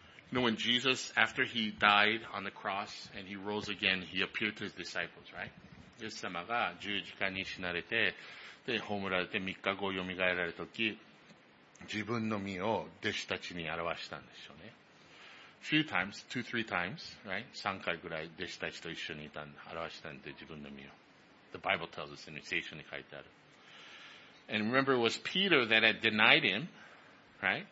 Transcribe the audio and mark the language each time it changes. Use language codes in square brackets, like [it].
[en] You know, when Jesus, after he died on the cross and he rose again, he appeared to his disciples, right? [ja] イエス様が十字架に死なれて、で、葬られて、三日後よみがえられたとき、自分の身を弟子たちに表したんですよね。 [en] Few times, two, three times, right? [ja] 三回ぐらい弟子たちと一緒にいたんで、表したんで、自分の身を。 [en] The Bible tells us in the [ja] 聖書に書いてある。 [en] And remember, it was Peter that had denied him, right?